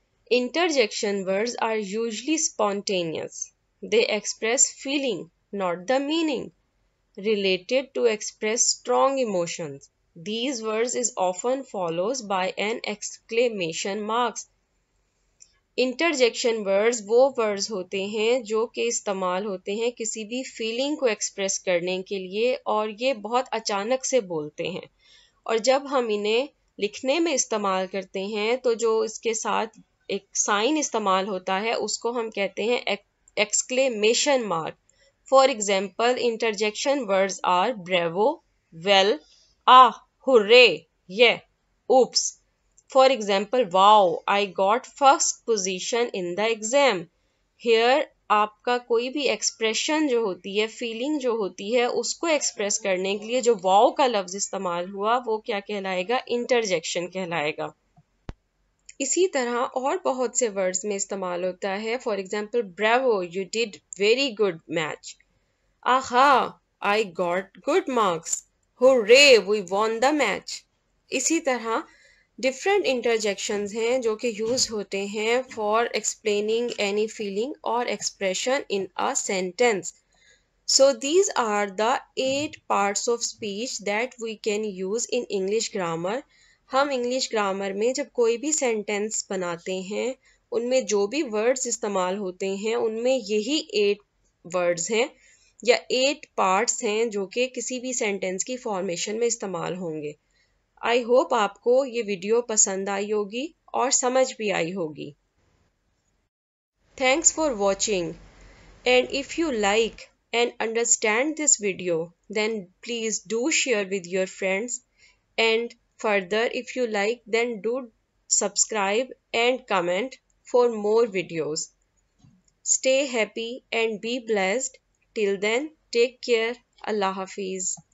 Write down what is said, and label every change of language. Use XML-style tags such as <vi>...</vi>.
<en>Interjection words are usually spontaneous, they express feeling not the meaning, related to express strong emotions. These words is often follows by an exclamation marks.</en> <ur>Interjection words وہ words ہوتے ہیں جو کہ استعمال ہوتے ہیں کسی بھی feeling کو express کرنے کے لیے، اور یہ بہت اچانک سے بولتے ہیں، اور جب ہم انہیں لکھنے میں استعمال کرتے ہیں تو جو اس کے ساتھ ایک sign استعمال ہوتا ہے اس کو ہم کہتے ہیں exclamation mark.</ur> <en>For example, interjection words are bravo, well, ah, hurray, yay, oops. For example, wow, I got first position in the exam.</en> <ur>Hair آپ کا کوئی بھی ایکسپریشن جو ہوتی ہے، فیلنگ جو ہوتی ہے، اس کو ایکسپریس کرنے کے لیے جو واؤ کا لفظ استعمال ہوا وہ کیا کہلائے گا؟ انٹرجیکشن کہلائے گا. اسی طرح اور بہت سے ورڈز میں استعمال ہوتا ہے.</ur> <en>For example, bravo, you did very good match. Aha, I got good marks. Hooray, we won the match.</en> <ur>اسی طرح ڈفرینٹ انٹرجیکشنز ہیں جو کہ یوز ہوتے ہیں</ur> <en>for explaining any feeling</en> <ur>اور expression in a sentence.</ur> <en>So these are the eight parts of speech that we can use in English grammar.</en> <ur>ہم English grammar میں جب کوئی بھی سینٹینس بناتے ہیں ان میں جو بھی ورڈز استعمال ہوتے ہیں ان میں یہی ایٹ ورڈز ہیں یا ایٹ پارٹس ہیں جو کہ کسی بھی سینٹینس کی فارمیشن میں استعمال ہوں گے. آئی ہوپ آپ کو یہ ویڈیو پسند آئی ہوگی اور سمجھ بھی آئی ہوگی.</ur> <en>Thanks for watching, and if you like and understand this video then please do share with your friends, and further if you like then do subscribe and comment for more videos. Stay happy and be blessed. Till then, take care. Allah Hafiz.</en>